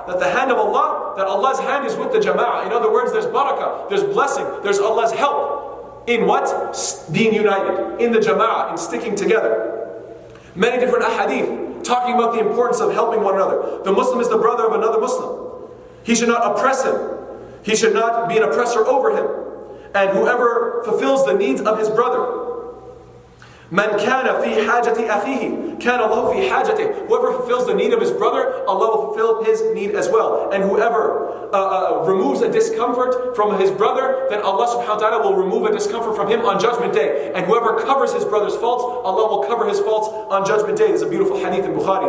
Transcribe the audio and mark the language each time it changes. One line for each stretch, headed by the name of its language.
English: That the hand of Allah, that Allah's hand is with the jama'ah. In other words, there's barakah, there's blessing, there's Allah's help in what? Being united, in the jama'ah, in sticking together. Many different ahadith talking about the importance of helping one another. The Muslim is the brother of another Muslim. He should not oppress him. He should not be an oppressor over him. And whoever fulfills the needs of his brother,
Arabic: مَنْ كَانَ فِي حَاجَةِ أَخِيهِ كَانَ اللَّهُ فِي حَاجَةِ.
English: Whoever fulfills the need of his brother, Allah will fulfill his need as well. And whoever removes a discomfort from his brother, then Allah subhanahu wa ta'ala will remove a discomfort from him on Judgment Day. And whoever covers his brother's faults, Allah will cover his faults on Judgment Day. It's a beautiful hadith in Bukhari.